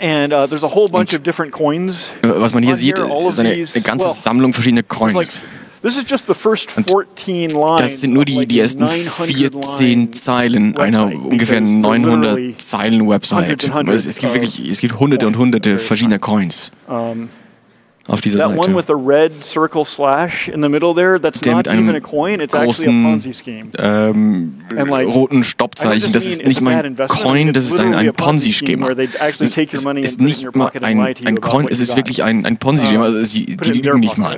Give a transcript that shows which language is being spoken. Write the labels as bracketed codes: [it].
[de] was man hier sieht, ist eine ganze Sammlung verschiedener Coins. Und das sind nur die ersten 14 Zeilen einer ungefähr 900 Zeilen Website. Es gibt hunderte und hunderte verschiedener Coins auf dieser Seite. [en] That one with the red circle slash in the middle there, that's not even a coin, it's actually a Ponzi scheme. [de] Like, roten Stoppzeichen, das ist nicht mal ein Coin, das ist ein Ponzi-Schema. Es ist nicht mal ein Coin, es ist wirklich ein Ponzi-Schema, also die lügen nicht mal.